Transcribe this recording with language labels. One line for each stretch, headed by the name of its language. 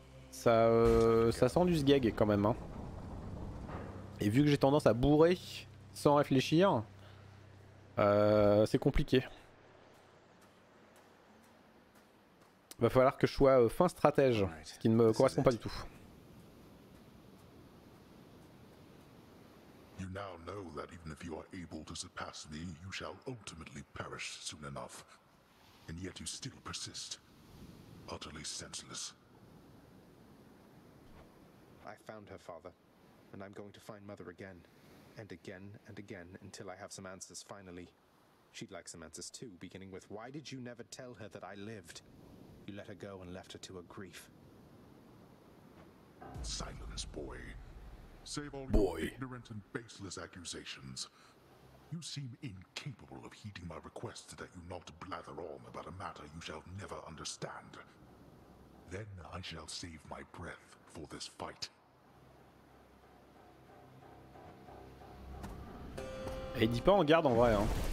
French: Ça sent du sgeg quand même. Hein. Et vu que j'ai tendance à bourrer sans réfléchir, c'est compliqué. Va falloir que je sois fin stratège, ce qui ne me correspond pas du tout.
English: You now know that even if you are able to surpass me, you shall ultimately perish soon enough. And yet you still persist, utterly senseless. I found her father, and I'm going to find mother again, and again, and again, until I have some answers finally. She'd like some answers too, beginning with, why did you never tell her that I lived? You let her go and left her to her grief. Silence, boy. Save all boy. Your ignorant and baseless accusations. You seem incapable of heeding my request that you not blather on about a matter you shall never understand. Then I shall save my breath for this fight.
French: Et dis pas en garde en vrai, hein.